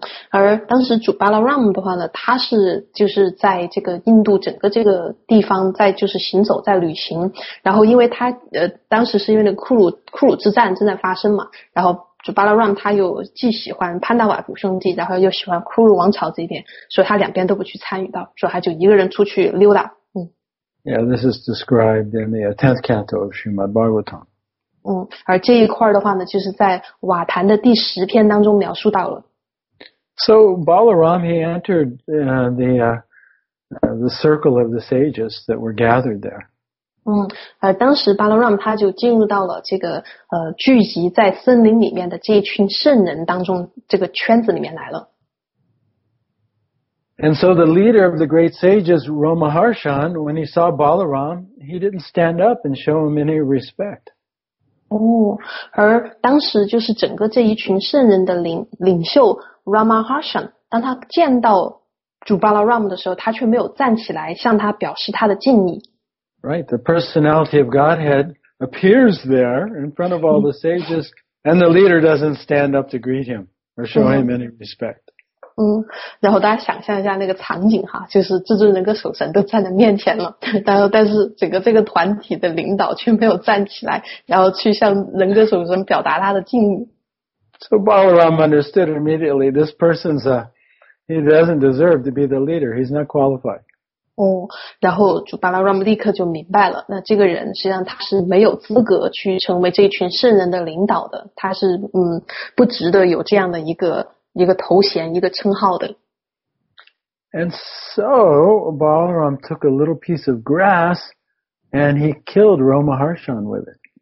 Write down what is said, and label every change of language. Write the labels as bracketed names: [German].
[Chinese] 而当时主巴拉拉姆的话呢，他是就是在这个印度整个这个地方在就是行走在旅行，然后因为他当时是因为那库鲁之战正在发生嘛，然后主巴拉拉姆他又既喜欢潘达瓦古圣地，然后又喜欢库鲁王朝这一点，所以他两边都不去参与到，所以他就一个人出去溜达。 [English] Yeah, this is described in the 10th canto of Srimad Bhagavatam. [Chinese] 而这一块的话呢，就是在瓦坛的第十篇当中描述到了。 [English] So Balaram, he entered the circle of the sages that were gathered there. [Chinese] 当时 Balaram 他就进入到了这个聚集在森林里面的这一群圣人当中这个圈子里面来了。 [English] And so the leader of the great sages, Ramaharshan, when he saw Balaram, he didn't stand up and show him any respect. [Chinese] 而当时就是整个这一群圣人的领袖Ramaharshan, 当他见到主巴拉Ram的时候，他却没有站起来向他表示他的敬意。 [English] Right, the personality of Godhead appears there in front of all the sages, and the leader doesn't stand up to greet him or show him any respect. [Chinese] 然后大家想象一下那个场景哈，就是至尊人跟守神都站在面前了，但是整个这个团体的领导却没有站起来，然后去向人跟守神表达他的敬意。 [English] So Balaram understood immediately, this person's he doesn't deserve to be the leader. He's not qualified. [Chinese] 然后主巴拉Ram立刻就明白了，那这个人实际上他是没有资格去成为这群圣人的领导的，他是不值得有这样的一个头衔，一个称号的。 [English] And so Balaram took a little piece of grass, and he killed Ramaharshan with it.